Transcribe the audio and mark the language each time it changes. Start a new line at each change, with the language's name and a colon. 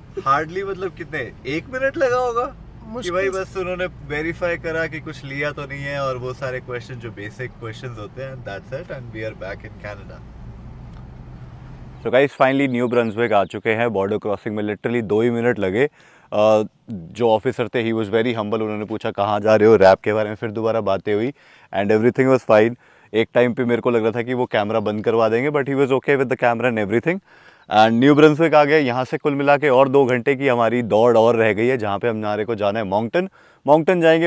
Hindi: Hardly मतलब कितने? एक मिनट लगा होगा कि भाई बस उन्होंने verify करा कि कुछ लिया तो नहीं है और वो सारे questions जो basic questions होते हैं
English: that's it and we are back in Canada. So guys finally
Hindi: New Brunswick आ चुके हैं
English: border crossing
Hindi: में literally दो ही मिनट लगे. जो ऑफिसर थे
English: he was very humble.
Hindi: उन्होंने पूछा कहाँ जा रहे हो रैप के बारे में फिर दोबारा बातें हुई
English: and everything was fine.
Hindi: एक टाइम पे मेरे को लग रहा था कि वो कैमरा बंद करवा देंगे
English: but he was okay with the camera and everything and
Hindi: new Brunswick आ गए. यहाँ से कुल मिला के और दो घंटे की हमारी दौड़ और रह गई है जहाँ पे हम नारे को जाना है माउंटेन जाएंगे.